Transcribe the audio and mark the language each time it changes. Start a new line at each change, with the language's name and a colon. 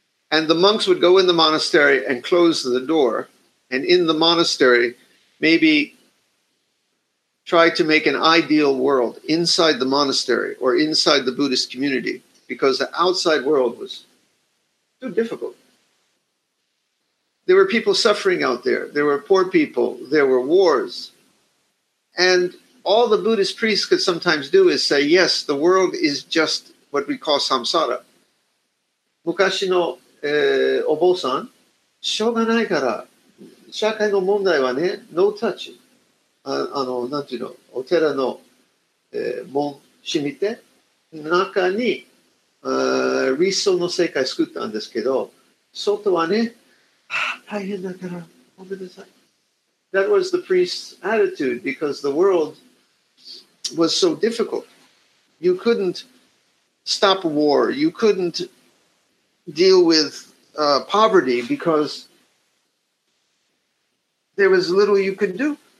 English: And the monks would go in the monastery and close the door, and in the monastery, maybe try to make an ideal world inside the monastery or inside the Buddhist community, because the outside world was too difficult. There were people suffering out there. There were poor people. There were wars. And all the Buddhist priests could sometimes do is say, yes, the world is just what we call samsara.
Japanese: 昔の、お坊さん、しょうがないから、社会の問題はね、ノータッチ。あの、なんていうの、お寺の、門閉めて、中に、理想の世界作ったんですけど、外はね、大変だから、ごめんなさい。
English: That was the priest's attitude because the world was so difficult. You couldn't stop war. You couldn't deal with poverty because there was little you could do.